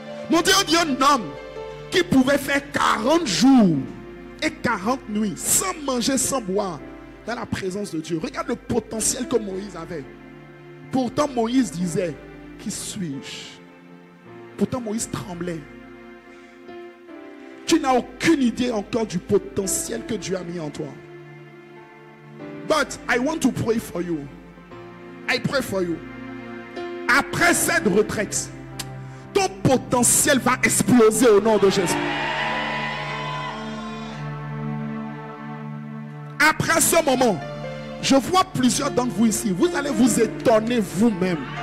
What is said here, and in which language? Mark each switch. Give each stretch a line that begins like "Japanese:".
French: Mon Dieu dit, un homme qui pouvait faire 40 jours et 40 nuits sans manger, sans boire, dans la présence de Dieu. Regarde le potentiel que Moïse avait. Pourtant Moïse disait, qui suis-je? Pourtant Moïse tremblait. Tu n'as aucune idée encore du potentiel que Dieu a mis en toi.
English: But I want to pray for you. I pray for you.
French: Après cette retraite, ton potentiel va exploser au nom de Jésus. Après ce moment, je vois plusieurs d'entre vous ici. Vous allez vous étonner vous-même.